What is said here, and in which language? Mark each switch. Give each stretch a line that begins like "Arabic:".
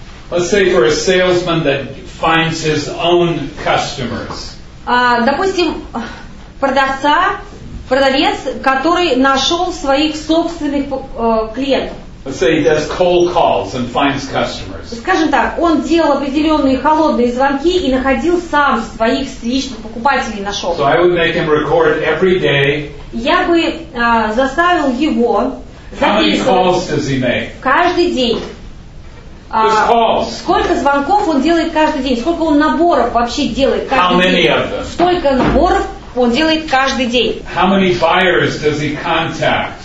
English: Let's say for a salesman that finds his own customers.
Russian: Допустим, продавца. Продавец, который нашел своих собственных клиентов. Скажем так, он делал определенные холодные звонки и находил сам своих личных покупателей, нашел.
English: So I would make him record every day.
Russian: Я бы заставил его записывать каждый день. Сколько звонков он делает каждый день? Сколько он наборов вообще делает каждый
English: How many
Russian: день?
English: Of them?
Russian: Столько наборов он делает каждый день.
English: How many buyers does he contact?